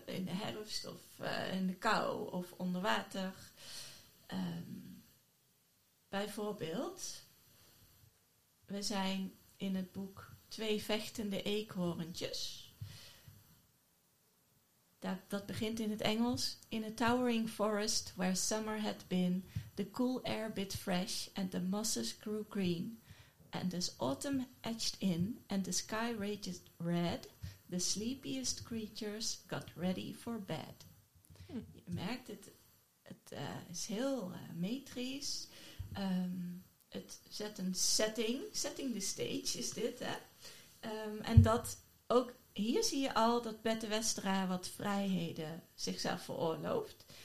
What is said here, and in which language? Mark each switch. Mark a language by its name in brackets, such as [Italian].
[Dutch] In de herfst of in de kou of onder water. Bijvoorbeeld, we zijn in het boek Twee vechtende eekhoorntjes. Dat begint in het Engels. [English] In a towering forest where summer had been, the cool air bit fresh and the mosses grew green. And as autumn etched in and the sky raged red, the sleepiest creatures got ready for bed. Hm. [Dutch] Je merkt, het is heel metrisch. Het zet een setting, [English] setting the stage [Dutch] is dit, hè. En dat ook hier zie je al dat Bette Westra wat vrijheden zichzelf veroorlooft.